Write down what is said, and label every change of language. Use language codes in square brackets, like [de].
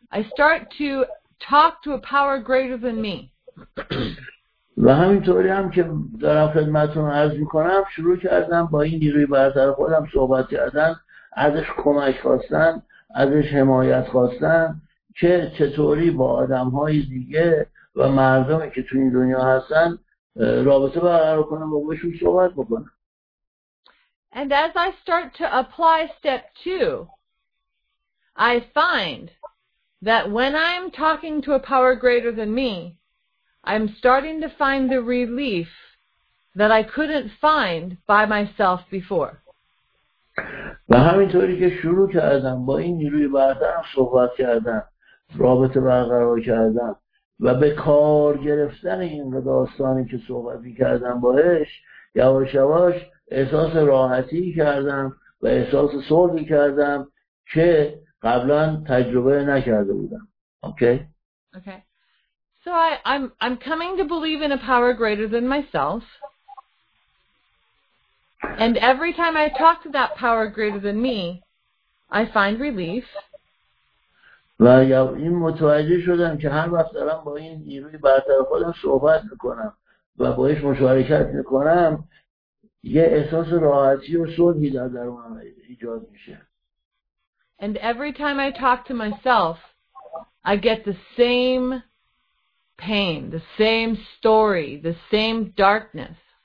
[en] I start to talk to a power greater than me. [fa] و همینطوری هم که دارم خدمتتون عرض میکنم، شروع کردم با این نیروی برتر خودم صحبت کردن، ازش کمک خواستن، ازش حمایت خواستن که چطوری با آدمهای دیگه و مردمی که تو این دنیا هستن رابطه برقرار کنم و باهاشون صحبت بکنم. [en] And as I start to apply step two, I find that when I'm talking to a power greater than me, I'm starting to find the relief that I couldn't find by myself before. [fa] و همینطوری که شروع کردم با این نیروی برتر صحبت کردم، رابطه برقرار کردم و به کار گرفتن این داستانی که صحبت می‌کردم باهاش، یواش یواش احساس راحتی کردم و احساس صلحی کردم که قبلا تجربه نکرده بودم. [en] Okay. So I'm coming to believe in a power greater than myself. And every time I talk to that power greater than me, I find relief. [fa] و این متوجه شدم که هر وقت دارم با این نیروی برتر خودم صحبت میکنم و باهاش مشارکت میکنم، یه احساس راحتی و صلحی در درونم ایجاد میشه. [en] And every time I talk to myself, I get the same pain, the same story, the same darkness.